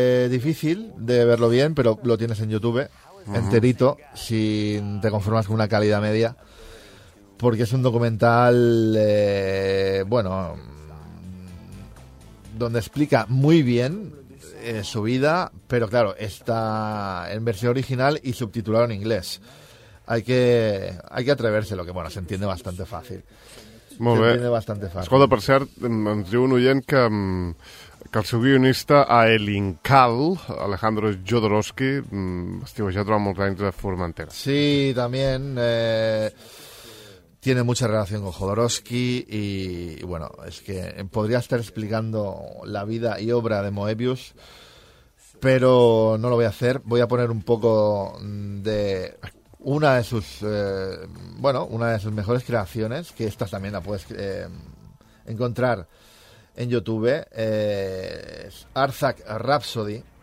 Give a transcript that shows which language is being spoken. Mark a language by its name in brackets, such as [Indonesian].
[Spanish] Difícil de verlo bien, pero lo tienes en YouTube, enterito, si te conformas con una calidad media, porque es un documental, bueno, donde explica muy bien su vida, pero claro, está en versión original y subtitulado en inglés. Hay que atreverse, lo que, bueno, se entiende bastante fácil. [Catalan] Molt bé. Escolta, per cert, ens diu un oient que el seu guionista, El Incal, Alejandro Jodorowsky, estiuejat durant molts anys a Formentera. [Spanish] Sí, también tiene mucha relación con Jodorowsky y, bueno, es que podría estar explicando la vida y obra de Moebius, pero no lo voy a hacer. Voy a poner un poco de una de sus una de sus mejores creaciones, que esta también la puedes encontrar en YouTube, es Arzak Rhapsody.